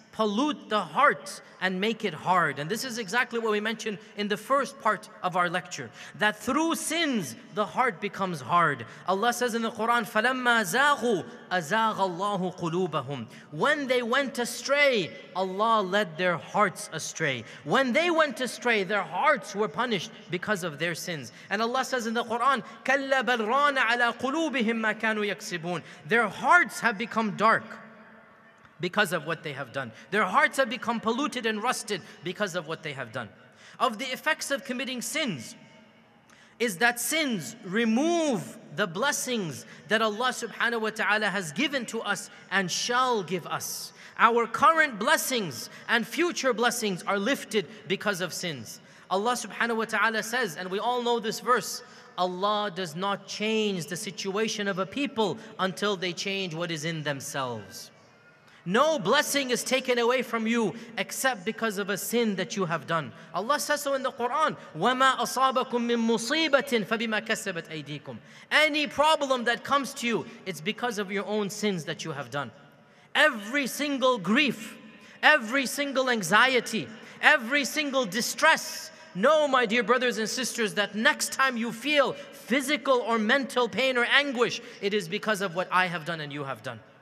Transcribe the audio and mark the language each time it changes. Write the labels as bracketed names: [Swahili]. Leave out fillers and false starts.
[English] pollute the heart and make it hard. And this is exactly what we mentioned in the first part of our lecture, that through sins, the heart becomes hard. Allah says in the Quran, [Arabic] فَلَمَّا زَاغُوا أَزَاغَ اللَّهُ قُلُوبَهُمْ. [English] When they went astray, Allah led their hearts astray. When they went astray, their hearts were punished because of their sins. And Allah says in the Quran, [Arabic] كَلَّا بَلْرَانَ عَلَى قُلُوبِهِمْ مَا كَانُوا يَكْسِبُونَ. [English] Their hearts have become dark because of what they have done. Their hearts have become polluted and rusted because of what they have done. Of the effects of committing sins is that sins remove the blessings that Allah subhanahu wa ta'ala has given to us and shall give us. Our current blessings and future blessings are lifted because of sins. Allah subhanahu wa ta'ala says, and we all know this verse, Allah does not change the situation of a people until they change what is in themselves. No blessing is taken away from you except because of a sin that you have done. Allah says so in the Quran, [Arabic] وَمَا أَصَابَكُم مِّن مُصِيبَةٍ فَبِمَا كَسَبَتْ أَيْدِيكُمْ. [English] Any problem that comes to you, it's because of your own sins that you have done. Every single grief, every single anxiety, every single distress, know, my dear brothers and sisters, that next time you feel physical or mental pain or anguish, it is because of what I have done and you have done.